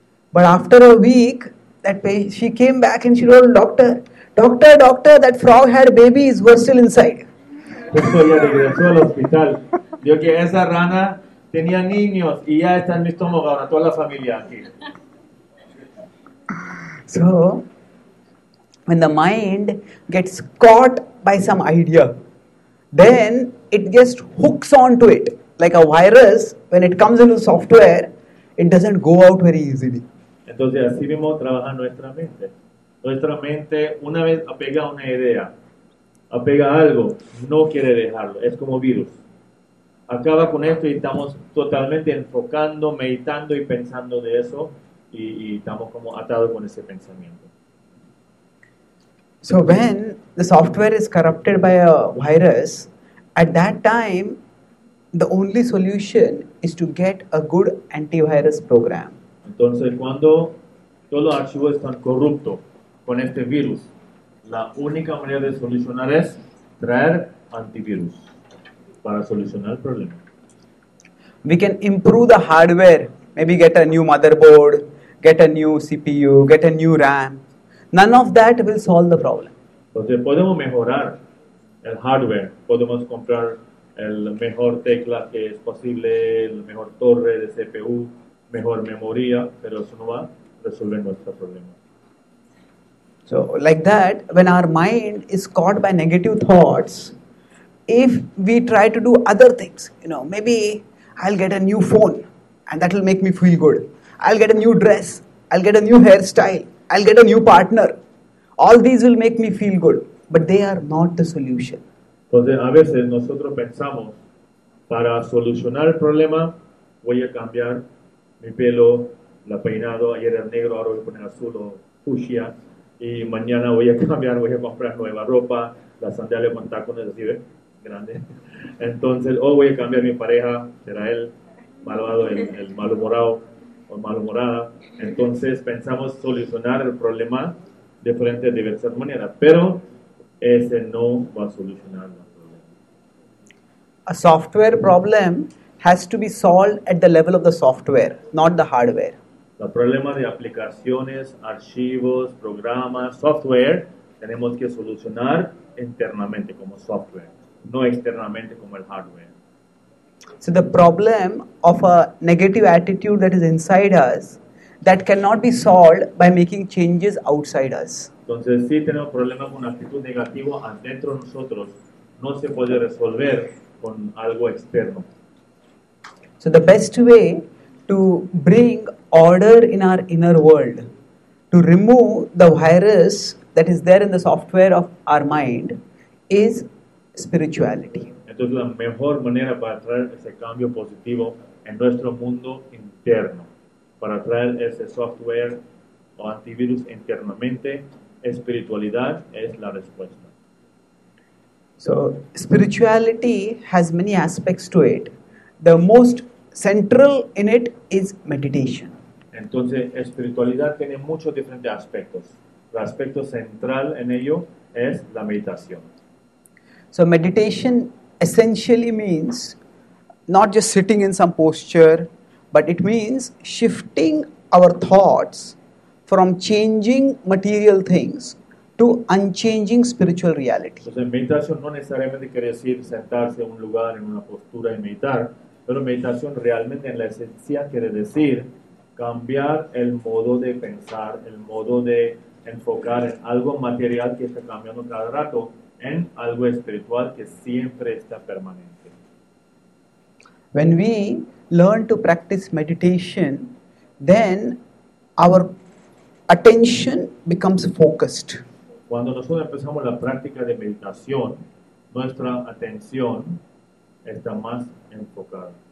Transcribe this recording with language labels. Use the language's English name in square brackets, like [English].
[English] But after a week, that she came back and she told doctor, doctor, doctor, that frog had babies were still inside. [Spanish] Justo ella regresó al hospital, vio que esa rana tenía niños y ya está en mi estómago ahora toda la familia aquí. [English] So, when the mind gets caught by some idea, then it just hooks onto it like a virus. When it comes into software, it doesn't go out very easily. [Spanish] Entonces así mismo trabaja nuestra mente. Nuestra mente, una vez apega a una idea, apega a algo, no quiere dejarlo. Es como virus. Acaba con esto y estamos totalmente enfocando, meditando y pensando de eso. Y estamos como atados con ese pensamiento. [English] So when the software is corrupted by a virus, at that time, the only solution is to get a good antivirus program. [Spanish] Entonces, cuando todos los archivos están corruptos con este virus, la única manera de solucionar es traer antivirus para solucionar el problema. [English] We can improve the hardware, maybe get a new motherboard, get a new CPU, get a new RAM. None of that will solve the problem. [Spanish] Entonces, podemos mejorar el hardware, podemos comprar el mejor tecla que es posible, el mejor torre de CPU, mejor memoria, pero eso no va a resolver nuestro problema. [English] So, like that, when our mind is caught by negative thoughts, if we try to do other things, you know, maybe I'll get a new phone and that will make me feel good. I'll get a new dress. I'll get a new hairstyle. I'll get a new partner. All these will make me feel good, but they are not the solution. [Spanish] Entonces, a veces nosotros pensamos, para solucionar el problema, voy a cambiar mi pelo, la peinado, ayer era negro, ahora voy a poner azul o fucsia, y mañana voy a cambiar, voy a comprar nueva ropa, las sandalias con tacones, así, ¿ves? Grande. Entonces, o voy a cambiar mi pareja, será él, malvado, el malhumorado o malhumorada. Entonces, pensamos solucionar el problema de frente a diversas maneras, pero ese no va a solucionar el problema. [English] A software problem has to be solved at the level of the software, not the hardware. [Spanish] El problema de aplicaciones, archivos, programas, software, tenemos que solucionar internamente como software, no externamente como el hardware. [English] So the problem of a negative attitude that is inside us, that cannot be solved by making changes outside us. [Spanish] Entonces, si tenemos problemas con una actitud negativa adentro de nosotros, no se puede resolver con algo externo. [English] So the best way to bring order in our inner world, to remove the virus that is there in the software of our mind, is spirituality. [Spanish] Entonces la mejor manera para traer ese cambio positivo en nuestro mundo interno, para traer ese software o antivirus internamente, espiritualidad es la respuesta. [English] So spirituality has many aspects to it. The most central in it is meditation. [Spanish] Entonces, espiritualidad tiene muchos diferentes aspectos. El aspecto central en ello es la meditación. [English] So, meditation essentially means not just sitting in some posture, but it means shifting our thoughts from changing material things to unchanging spiritual reality. [Spanish] Entonces, meditación no necesariamente quiere decir sentarse en un lugar, en una postura y meditar. Pero meditación realmente en la esencia quiere decir cambiar el modo de pensar, el modo de enfocar en algo material que está cambiando cada rato, en algo espiritual que siempre está permanente. [English] When we learn to practice meditation, then our attention becomes focused. [Spanish] Cuando nosotros empezamos la práctica de meditación, nuestra atención está más enfocada.